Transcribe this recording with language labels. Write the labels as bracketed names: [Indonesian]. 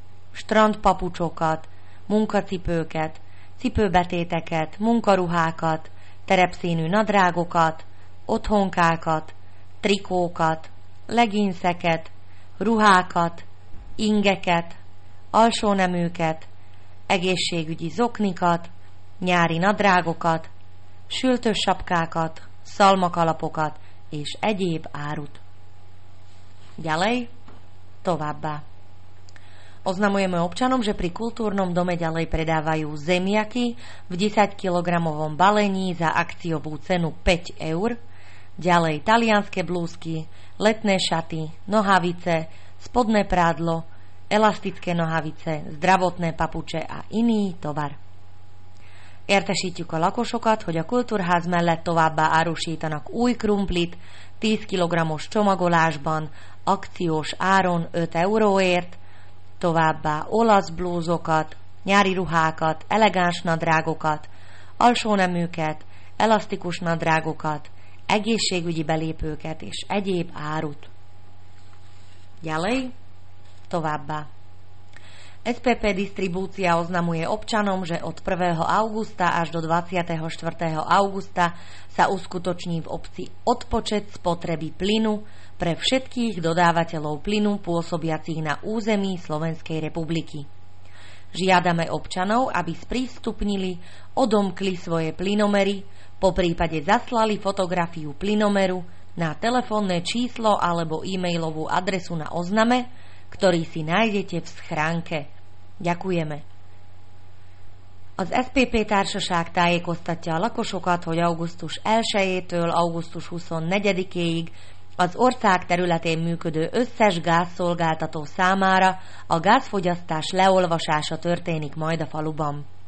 [Hungarian] strandpapucsokat, munkacipőket, cipőbetéteket, munkaruhákat, terepszínű nadrágokat, otthonkákat, trikókat, leginszeket, ruhákat, ingeket, alsóneműket, egészségügyi zoknikat, nyári nadrágokat, sültős sapkákat, szalmakalapokat és egyéb árut. [Slovak] Ďalej, [Hungarian] továbbá. [Slovak] Oznamujeme občanom, že pri kultúrnom dome ďalej predávajú zemiaky v 10-kilogramovom balení za akciovú cenu 5 eur, ďalej talianske blúzky, letné šaty, nohavice, spodné prádlo, elastické nohavice, zdravotné papuče a iný tovar. [Hungarian] Értesítjük a lakosokat, hogy a kultúrház mellett továbbá árusítanak új krumplit 10 kg-os csomagolásban akciós áron 5 euróért, továbbá olasz blúzokat, nyári ruhákat, elegáns nadrágokat, alsóneműket, elasztikus nadrágokat, egészségügyi belépőket és egyéb árut. [Slovak] Ďalej, [Hungarian] továbbá. [Slovak] SPP Distribúcia oznamuje občanom, že od 1. augusta až do 24. augusta sa uskutoční v obci odpočet spotreby plynu pre všetkých dodávateľov plynu pôsobiacich na území Slovenskej republiky. Žiadame občanov, aby sprístupnili, odomkli svoje plynomery, po prípade zaslali fotografiu plynomeru na telefónne číslo alebo e-mailovú adresu na ozname, ktorý si nájdete v schránke. Ďakujeme. [Hungarian] Az SPP társaság tájékoztatja a lakosokat, hogy augusztus 1-től augusztus 24-ig az ország területén működő összes gázszolgáltató számára a gázfogyasztás leolvasása történik majd a faluban.